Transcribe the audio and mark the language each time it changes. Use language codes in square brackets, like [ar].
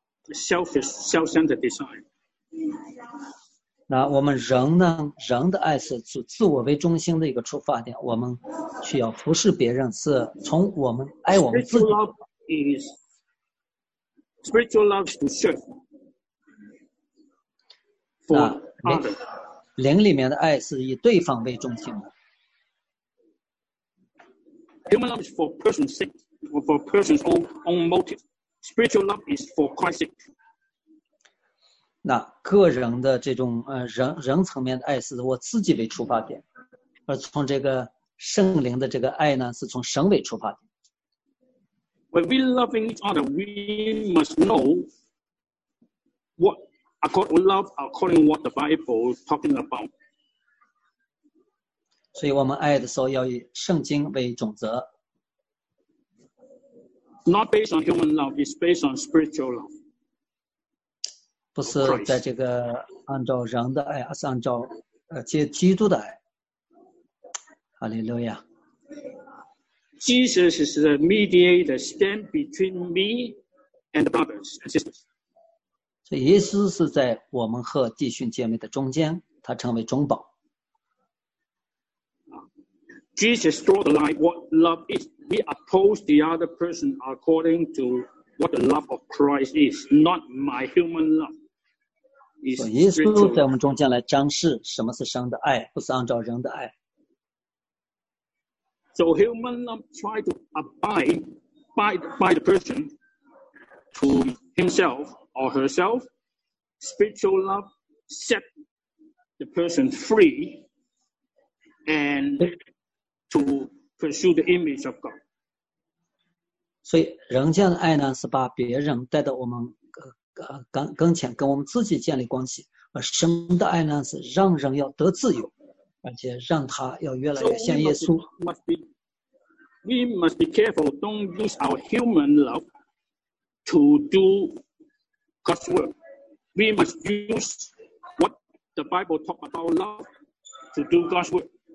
[en] A selfish, self-centered desire. [zh] 那我们人呢？人的爱是自我为中心的一个出发点。我们需要服侍别人，是从我们爱我们自己。 [en] Spiritual love is. Spiritual love to serve for others. [zh] 灵里面的爱是以对方为中心的。 [en] Human love is for person's sake, or for person's own motive. Spiritual love is for Christ's sake. [zh] 那个人的这种人层面的爱是我自己为出发点，而从这个圣灵的这个爱呢，是从神为出发的。 [en] When we love each other, we must know what according love according what the Bible is talking about. [zh] 所以我们爱的时候要以圣经为准则。 [en] Not based on human love, it's based on spiritual love. [zh] 不是在这个按照人的爱，而是按照接基督的爱。哈利路亚。 [en] Jesus is the mediator, stand between me and the brothers and sisters. [zh] 所以耶稣是在我们和弟兄姐妹的中间，他成为中保。 [en] Jesus draw the line what love is. We oppose the other person according to what the love of Christ is, not my human love. [zh] 所以耶稣在我们中间来彰示什么是神的爱，不是按照人的爱。 [en] So human love try to abide by the person to himself or herself. Spiritual love set the person free and to pursue the image of God. [zh] 所以人间的爱呢，是把别人带到我们跟前，跟我们自己建立关系；而神的爱呢，是让人要得自由，而且让他要越来越像耶稣。 [en] We must be careful, don't use our human love to do God's work. We must use what the Bible talks about love to do God's work.